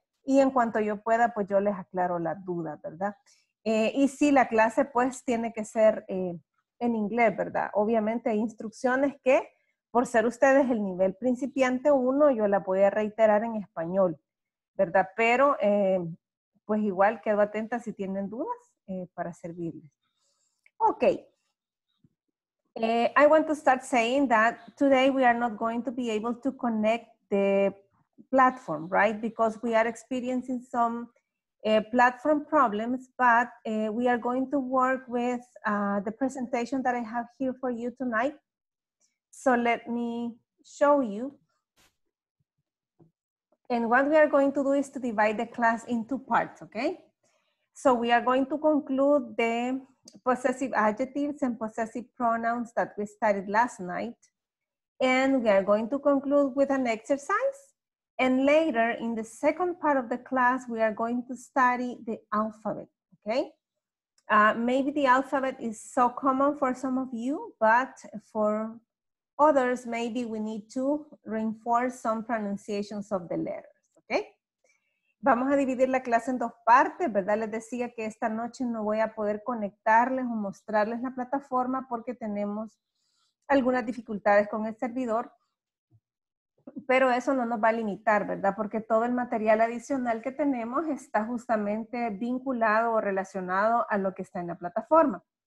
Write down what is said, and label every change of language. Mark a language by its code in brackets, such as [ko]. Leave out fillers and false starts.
[es] Y en cuanto yo pueda, pues yo les aclaro la duda, ¿verdad? Y sí, la clase pues tiene que ser en inglés, ¿verdad? Obviamente hay instrucciones que, por ser ustedes el nivel principiante 1, yo la voy a reiterar en español, ¿verdad? Pero pues igual quedo atenta si tienen dudas para servirles. [en] Okay. I want to start saying that today we are not going to be able to connect the platform, right? Because we are experiencing some platform problems, but we are going to work with the presentation that I have here for you tonight. So let me show you. And what we are going to do is to divide the class into parts, okay? So we are going to conclude the possessive adjectives and possessive pronouns that we studied last night. And we are going to conclude with an exercise. And later in the second part of the class, we are going to study the alphabet, okay? Maybe the alphabet is so common for some of you, but for others, maybe we need to reinforce some pronunciations of the letters, okay? [es] Vamos a dividir la clase en dos partes, ¿verdad? Les decía que esta noche no voy a poder conectarles o mostrarles la plataforma porque tenemos algunas dificultades con el servidor, pero eso no nos va a limitar, ¿verdad? Porque todo el material adicional que tenemos está justamente vinculado o relacionado a lo que está en la plataforma.